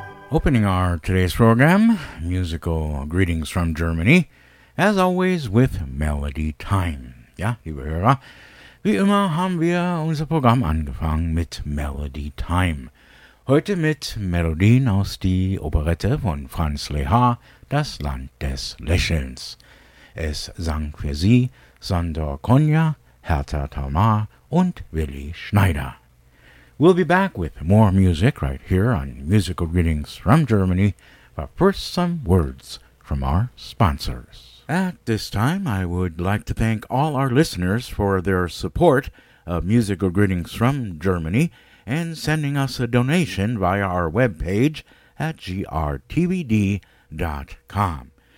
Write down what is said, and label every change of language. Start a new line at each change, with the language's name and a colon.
English: Opening our today's program, musical greetings from Germany, as always with Melody Time.
German: Ja, liebe Hörer, wie immer haben wir unser Programm angefangen mit Melody Time. Heute mit Melodien aus die Operette von Franz Lehár, Das Land des Lächelns. Es sang für Sie Sandor Konya, Hertha Talmar und Willi Schneider.
English: We'll be back with more music right here on Musical Greetings from Germany, but first some words from our sponsors. At this time, I would like to thank all our listeners for their support of Musical Greetings from Germany and sending us a donation via our webpage at grtvd.com.